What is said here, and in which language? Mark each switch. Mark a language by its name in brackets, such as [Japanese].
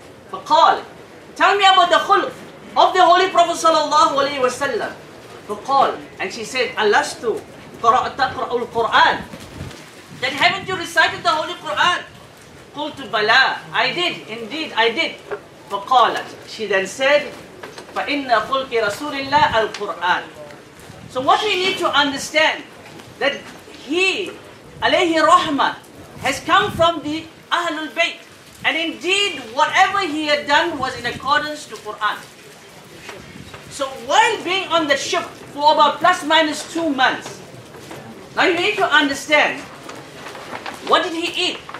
[Arabic] فقال, [English] tell me about the khulq of the Holy Prophet sallallahu alayhi wa sallam. [Arabic] فقال, [English] and she said, [Arabic] Alastu qara'ta qara'ul Quran. [English] That haven't you recited the Holy Quran? [Arabic] قلت بلا, [English] I did, indeed, I did. [Arabic] فقالت, [English] she then said, [Arabic] فَإِنَّ خُلْقِ رَسُولِ اللَّهِ الْقُرْآنِ. [English] So what we need to understand, that he, alayhi rahmah, has come from the Ahlul Bayt. And indeed, whatever he had done was in accordance to Qur'an. So while being on the ship for about plus minus 2 months, now you need to understand, what did he eat?